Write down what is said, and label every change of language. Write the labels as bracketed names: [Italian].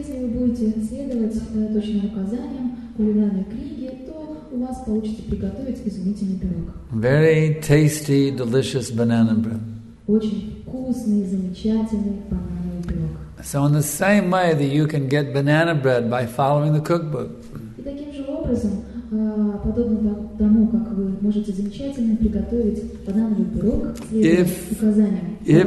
[Russian] Будете следовать точным указаниям кулинарной книги, то у вас вас получите приготовить изумительный пирог. [English] Very tasty, delicious banana bread. [Russian] Очень вкусный, замечательный банановый пирог. [English] So in the same way that you can get banana bread by following the cookbook. [Russian] И таким же образом, подобно тому, как вы можете замечательно приготовить банановый пирог, следуя указаниям.